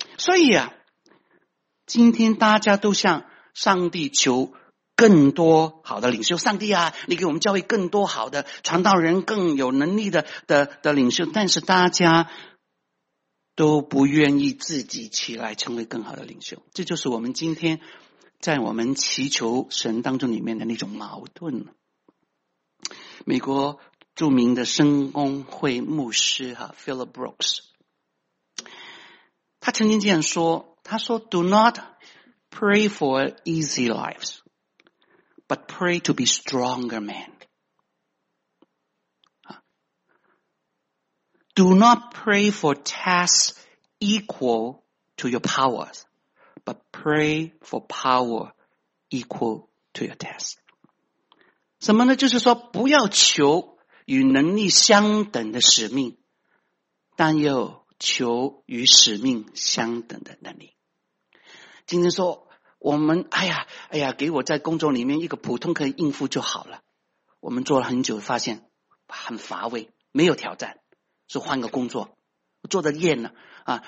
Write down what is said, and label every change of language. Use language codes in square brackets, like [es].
[zh] 所以啊，今天大家都向上帝求更多好的领袖，上帝啊，你给我们教会更多好的传道人，更有能力的领袖，但是大家都不愿意自己起来成为更好的领袖。这就是我们今天在我们祈求神当中里面的那种矛盾。美国著名的圣公会牧师 Philip Brooks， 他曾经这样说，他说 [en] Do not pray for easy lives but pray to be stronger men。 Do not pray for tasks equal to your powers but pray for power equal to your tasks。 [zh] 什么呢？就是说不要求与能力相等的使命，但又求与使命相等的能力。今天说我们，哎呀，给我在工作里面一个普通可以应付就好了，我们做了很久发现很乏味，没有挑战，是换个工作，我做的厌了啊！